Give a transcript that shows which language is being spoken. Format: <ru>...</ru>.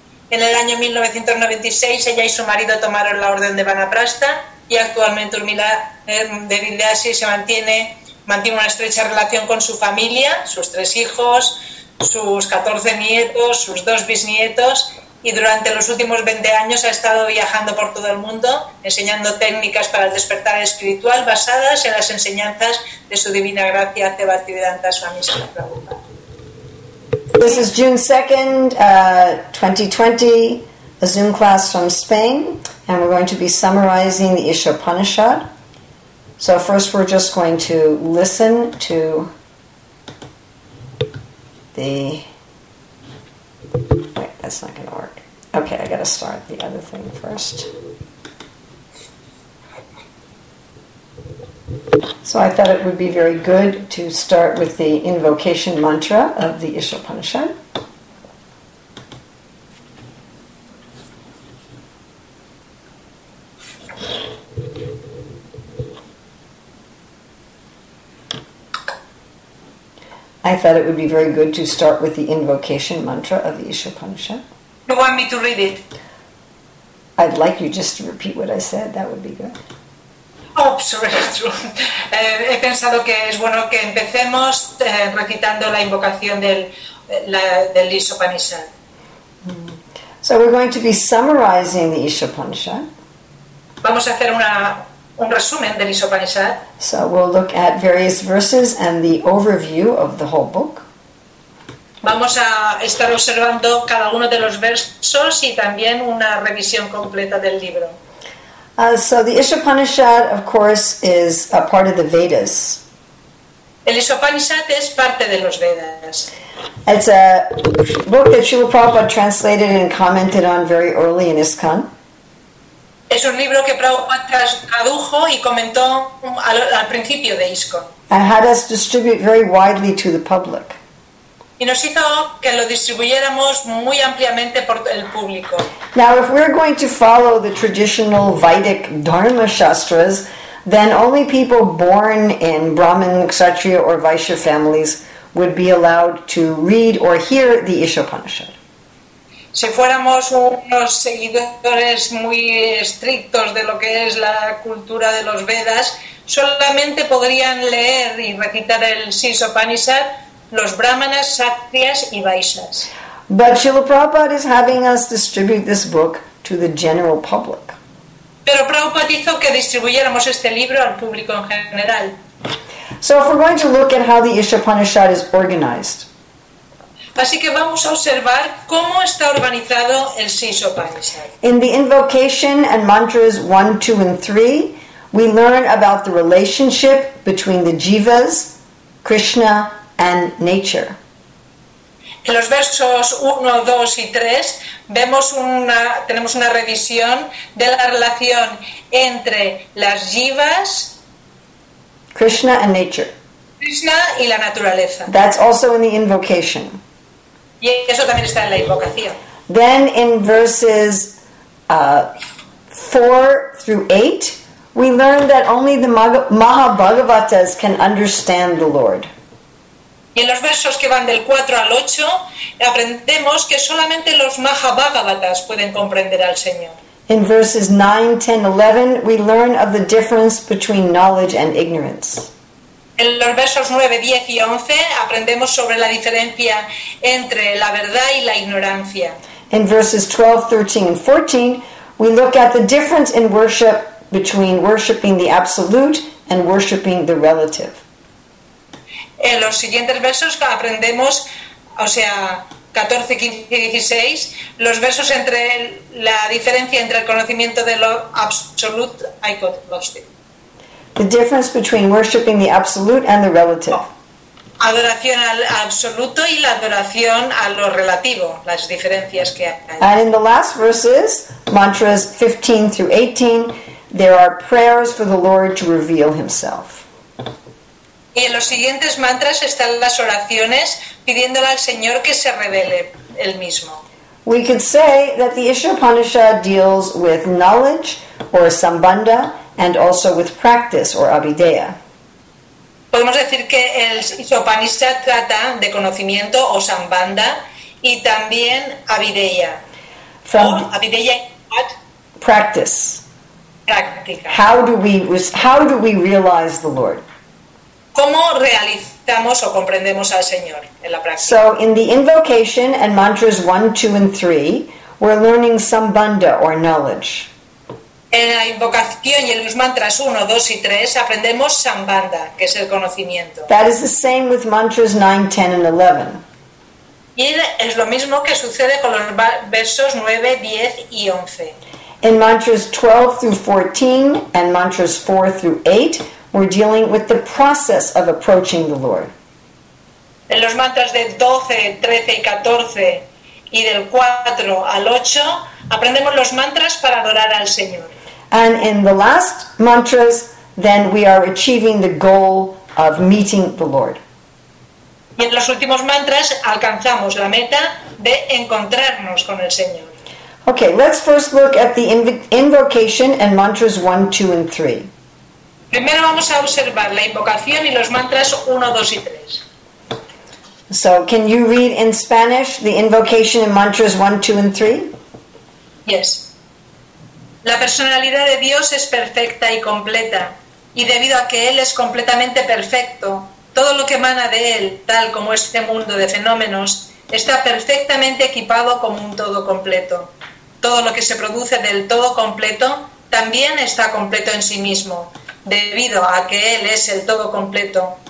<es>En el año 1996 ella y su marido tomaron la orden de Vanaprastha y actualmente Urmila Devi Dasi mantiene una estrecha relación con su familia, sus 3 hijos, sus 14 nietos, sus 2 bisnietos, y durante los últimos 20 años ha estado viajando por todo el mundo enseñando técnicas para el despertar espiritual basadas en las enseñanzas de su divina gracia de Bhaktivedanta Swami Srila Prabhupada.</es> <en>This is June 2nd, 2020, a Zoom class from Spain, and we're going to be summarizing the Isha Upanishad. So first we're just going to listen to the... That's not going to work. Okay, I got to start the other thing first. So I thought it would be very good to start with the invocation mantra of the Isha Upanishad. I thought it would be very good to start with the invocation mantra of the Isha Upanishad. You want me to read it? I'd like you just to repeat what I said. That would be good. Oh, sorry.</en> <es>He pensado que es bueno que empecemos recitando la invocación del Isha Upanishad.</es> <en>So we're going to be summarizing the Isha Upanishad.</en> <es>Vamos a hacer un resumen del Isha Upanishad.</es> <en>So we'll look at various verses and the overview of the whole book.</en> <es>Vamos a estar observando cada uno de los versos y también una revisión completa del libro.</es> <en>So the Isha Upanishad, of course, is a part of the Vedas.</en> <es>El Isha Upanishad es parte de los Vedas.</es> <en>It's a book that Srila Prabhupada translated and commented on very early in ISKCON.</en> <es>Es un libro que Prabhupada tradujo y comentó al principio de ISKCON.</es> <en>And had us distribute very widely to the public.</en> <es>y nos hizo que lo distribuyéramos muy ampliamente por el público.</es> <en>Now, if we're going to follow the traditional Vedic Dharma Shastras, then only people born in Brahmin, Kshatriya, or Vaishya families would be allowed to read or hear the Isha Upanishad.</en> <es>Si fuéramos unos seguidores muy estrictos de lo que es la cultura de los Vedas, solamente podrían leer y recitar el Isha Upanishad los Brahmanas, Kshatriyas y Vaishyas.</es> <en>But Srila Prabhupada is having us distribute this book to the general public.</en> <es>Pero Prabhupada hizo que distribuyéramos este libro al público en general.</es> <en>So if we're going to look at how the Isha Upanishad is organized.</en> <es>Así que vamos a observar cómo está organizado el Isha Upanishad.</es> <en>In the invocation and mantras 1, 2 and 3, we learn about the relationship between the jivas, Krishna and nature.</en> <es>En los versos 1, 2 y 3 vemos tenemos una revisión de la relación entre las jivas,</es> <en>Krishna and nature.</en> <es>Krishna y la naturaleza.</es> <en>That's also in the invocation.</en> <es>Y eso también está en la invocación.</es> <en>Then in verses 4 through 8 we learn that only the Mahabhagavatas can understand the Lord.</en> <es>Y en los versos que van del 4 al 8 aprendemos que solamente los Mahabhagavatas pueden comprender al Señor.</es> <en>In verses 9, 10, 11 we learn of the difference between knowledge and ignorance.</en> <es>En los versos 9, 10 y 11 aprendemos sobre la diferencia entre la verdad y la ignorancia.</es> <en>In verses 12, 13 and 14 we look at the difference in worship between worshiping the absolute and worshiping the relative.</en> <es>En los siguientes versos aprendemos, o sea, 14, 15 y 16, los versos entre la diferencia entre el conocimiento de lo absoluto,</es> <en>I got lost it. The difference between worshiping the absolute and the relative.</en> <es>Adoración al absoluto y la adoración a lo relativo, las diferencias que hay.</es> <en>And in the last verses, mantras 15 through 18, there are prayers for the Lord to reveal himself.</en> <es>Y en los siguientes mantras están las oraciones pidiéndole al Señor que se revele él mismo.</es> <en>We could say that the Isha Upanishad deals with knowledge or sambandha and also with practice or abhidhaya.</en> <es>Podemos decir que el Isha Upanishad trata de conocimiento o sambandha y también abhidhaya.</es> <en>From abhidhaya, what? Practice.</en> <es>Práctica.</es> <en>How do we realize the Lord?</en> <es>¿Cómo realizamos o comprendemos al Señor en la práctica?</es> <en>So, in the invocation and mantras 1, 2, and 3, we're learning sambandha or knowledge.</en> <es>En la invocación y en los mantras 1, 2 y 3, aprendemos sambandha, que es el conocimiento.</es> <en>That is the same with mantras 9, 10, and 11.</en> <es>Y es lo mismo que sucede con los versos 9, 10 y 11.</es> <en>In mantras 12 through 14 and mantras 4 through 8, we're dealing with the process of approaching the Lord.</en> <es>En los mantras de 12, 13 y 14 y del 4 al 8 aprendemos los mantras para adorar al Señor.</es> <en>And in the last mantras, then we are achieving the goal of meeting the Lord.</en> <es>Y en los últimos mantras alcanzamos la meta de encontrarnos con el Señor.</es> <en>Okay, let's first look at the invocation and mantras 1, 2 and 3.</en> <es>Primero vamos a observar la invocación y los mantras 1, 2 y 3.</es> <en>So, can you read in Spanish the invocation and mantras 1, 2 and 3? Yes.</en> <es>La personalidad de Dios es perfecta y completa, y debido a que Él es completamente perfecto, todo lo que emana de Él, tal como este mundo de fenómenos, está perfectamente equipado como un todo completo. Todo lo que se produce del todo completo también está completo en sí mismo, debido a que Él es el todo completo.</es>